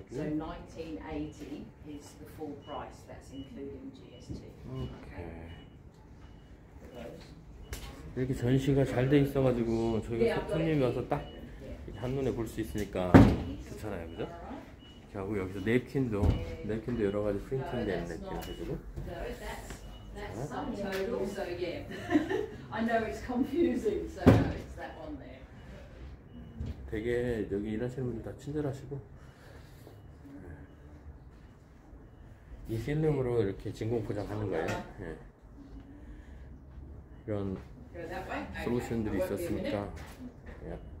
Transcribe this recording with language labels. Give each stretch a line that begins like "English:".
English: So 1980 is the full price. That's including GST. Okay.
Korean: 이렇게 전시가 잘돼 있어가지고 저희가 손님이 와서 딱 한눈에 볼수 있으니까 좋잖아요, 그죠? 자, 그리고 여기서 냅킨도 여러 가지 프린팅된 냅킨 해주고.
English: That's some total, so yeah. I know it's confusing, so no, it's that one there.
Korean: 되게 여기 일하시는 분들 다 친절하시고. 이 필름으로 이렇게 진공 포장하는 거예요. 예. 이런 솔루션들이 있었으니까. 예.